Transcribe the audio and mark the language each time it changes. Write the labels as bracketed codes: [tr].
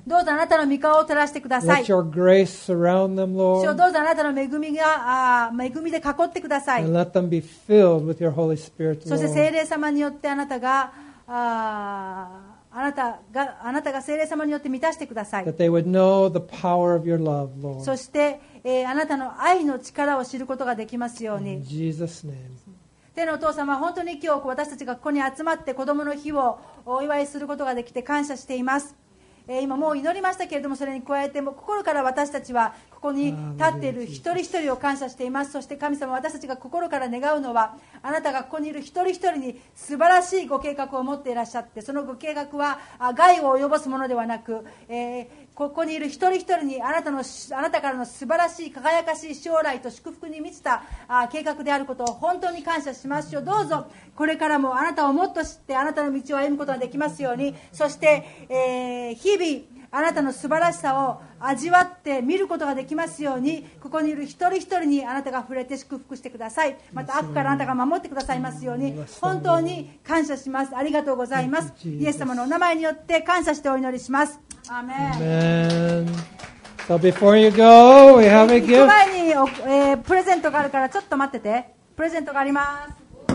[ja] どうぞあなたの御顔を照らしてください。 [en] Let your grace surround them, Lord. [ja] 主よ、どうぞあなたの恵みが、恵みで囲ってください。 [en] And let them be filled with your Holy Spirit, Lord. [ja] そして聖霊様によってあなたがあなたが聖霊様によって満たしてください。 [en] That they would know the power of your love, Lord. [ja] そして、あなたの愛の力を知ることができますように。 [en] In Jesus' name. [ja] 天のお父様、本当に今日私たちがここに集まって子供の日をお祝いすることができて感謝しています。今もう祈りましたけれども、それに加えても心から私たちはここに立っている一人一人を感謝しています。そして神様、私たちが心から願うのはあなたがここにいる一人一人に素晴らしいご計画を持っていらっしゃって、そのご計画は害を及ぼすものではなく、ここにいる一人一人にあなたからの素晴らしい輝かしい将来と祝福に満ちた計画であることを本当に感謝しますよ。どうぞこれからもあなたをもっと知ってあなたの道を歩むことができますように。そして、日々あなたの素晴らしさを味わって見ることができますように、ここにいる一人一人にあなたが触れて祝福してください。また悪からあなたが守ってくださいますように、本当に感謝します。ありがとうございます。イエス様のお名前によって感謝してお祈りします。アーメン。 [en] Amen. So before you go, we have a gift. [ja] 行く前に、プレゼントがあるからちょっと待ってて。プレゼントがあります。